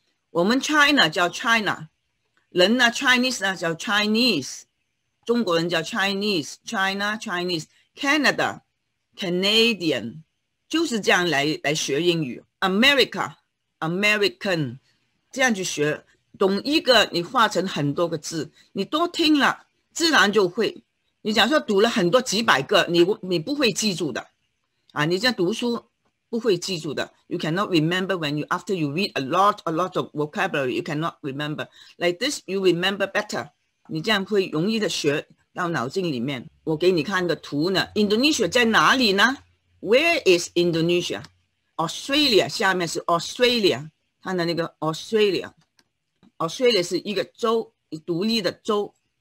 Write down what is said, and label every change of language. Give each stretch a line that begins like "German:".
Chinese: 我们 China 叫 China, 人呢 Chinese 呢叫 Chinese, 中国人叫 Chinese, China, Chinese, Canada, Canadian, 就是这样 来学英语 ,America, American,这样去学，懂一个你化成很多个字，你多听了自然就会。你假如说读了很多几百个， 你不会记住的啊，你这样读书不会记住的。
English: You cannot remember when you after you read a lot of vocabulary, you cannot remember like this, you remember better.
Chinese: 你这样会容易的学到脑筋里面。我给你看个图呢， Indonesia 在哪里呢？
English: Where is Indonesia?
Chinese: Australia 下面是 Australia，看到那个 Australia, Australia 是一个州，独立的州。